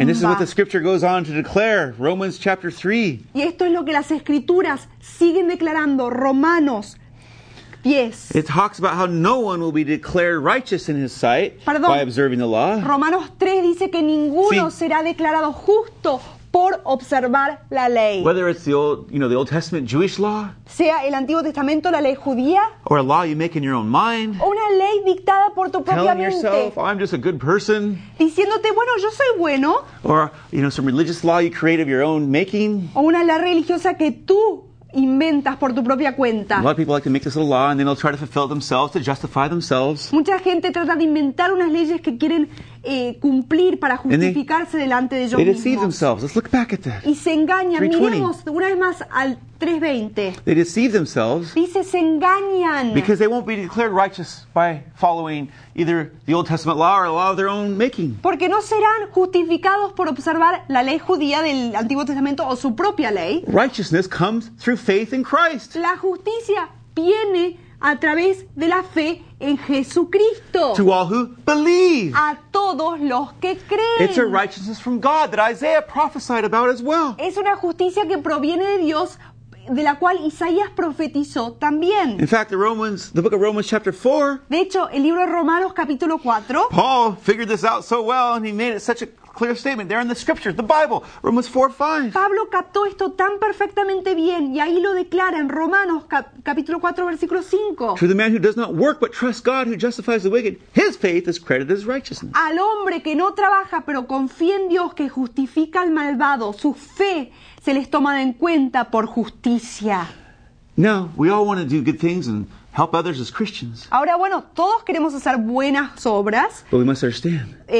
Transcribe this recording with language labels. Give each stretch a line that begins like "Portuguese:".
English: And this is what the scripture goes on to declare, Romans chapter 3.
Spanish: Y esto es lo que las escrituras siguen declarando, Romanos 10.
English: It talks about how no one will be declared righteous in his sight.
Spanish: Perdón.
English: By observing the law.
Spanish: Romanos 3 dice que ninguno
English: see,
Spanish: será declarado justo por observar la ley.
English: Whether it's the old, you know, the Old Testament Jewish law,
Spanish: sea el Antiguo Testamento la ley judía,
English: or a law you make in your own mind,
Spanish: o una ley dictada por tu propia mente,
English: telling yourself I'm just a good person,
Spanish: diciéndote bueno yo soy bueno,
English: or you know some religious law you create of your own making,
Spanish: o una ley religiosa que tú inventas por tu propia cuenta.
English: A lot of people like to make this little law and then they'll try to fulfill themselves to justify themselves.
Spanish: Mucha gente trata de inventar unas leyes que quieren cumplir para justificarse
English: they,
Spanish: delante de ellos
English: they
Spanish: mismos.
English: Deceive themselves. Let's look back at that.
Spanish: Y se engañan. Miremos una vez más al 3:20.
English: They deceive themselves.
Spanish: Dice se engañan.
English: Because they won't be declared righteous by following either the Old Testament law or a law of their own making.
Spanish: Porque no serán justificados por observar la ley judía del Antiguo Testamento o su propia ley.
English: Righteousness comes through faith in Christ.
Spanish: La justicia viene a través de la fe en Jesucristo.
English: To all who believe.
Spanish: A todos los que creen.
English: It's a righteousness from God that Isaiah prophesied about as well.
Spanish: Es una justicia que proviene de Dios, de la cual Isaías profetizó también.
English: In fact, the book of Romans chapter 4.
Spanish: De hecho, el libro de Romanos capítulo 4.
English: Paul figured this out so well and he made it such a clear statement there in the scriptures, the Bible, Romans 4:5.
Spanish: Pablo captó esto tan perfectamente bien y ahí lo declara en Romanos capítulo 4 versículo 5.
English: To the man who does not work but trusts God who justifies the wicked, his faith is credited as righteousness.
Spanish: Al hombre que no trabaja pero confía en Dios que justifica al malvado, su fe se les toma en cuenta por justicia.
English: Now, we all want to do good things and help others as Christians.
Spanish: Ahora, bueno, todos queremos hacer buenas obras.
English: But we must understand.